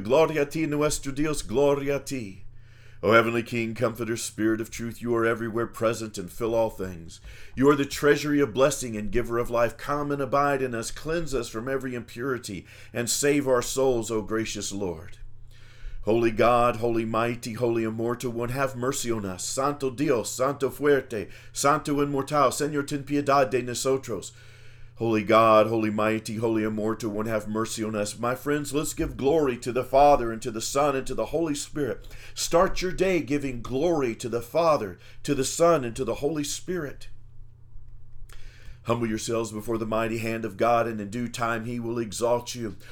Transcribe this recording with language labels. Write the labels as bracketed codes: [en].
[es] Gloria a ti, nuestro Dios, gloria a ti. [en] O Heavenly King, Comforter, Spirit of Truth, you are everywhere present and fill all things. You are the treasury of blessing and giver of life. Come and abide in us, cleanse us from every impurity, and save our souls, O gracious Lord. Holy God, holy mighty, holy immortal one, have mercy on us. [es] Santo Dios, Santo Fuerte, Santo Inmortal, Señor, ten piedad de nosotros. [en] Holy God, holy mighty, holy immortal one, have mercy on us. My friends, let's give glory to the Father and to the Son and to the Holy Spirit. Start your day giving glory to the Father, to the Son, and to the Holy Spirit. Humble yourselves before the mighty hand of God, and in due time he will exalt you.